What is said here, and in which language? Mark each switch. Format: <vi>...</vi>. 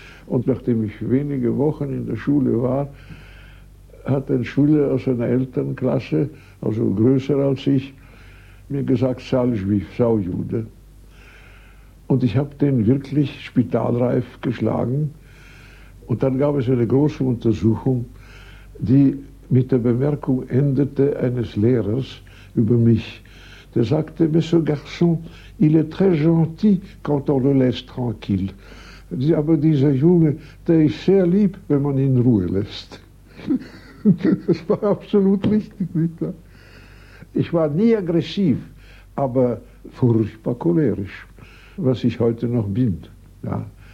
<de>Und nachdem ich wenige Wochen in der Schule war, hat ein Schüler aus einer Elternklasse, also größer als ich, mir gesagt, Salschwif, Saujude. Und ich habe den wirklich spitalreif geschlagen. Und dann gab es eine große Untersuchung, die mit der Bemerkung endete eines Lehrers über mich. Der sagte,</de> <fr>Monsieur Garçon, il est très gentil quand on le laisse tranquille.</fr> <de>Aber dieser Junge, der ist sehr lieb, wenn man ihn in Ruhe lässt. Das war absolut richtig, nicht wahr? Ich war nie aggressiv, aber furchtbar cholerisch, was ich heute noch bin. Ja.</de>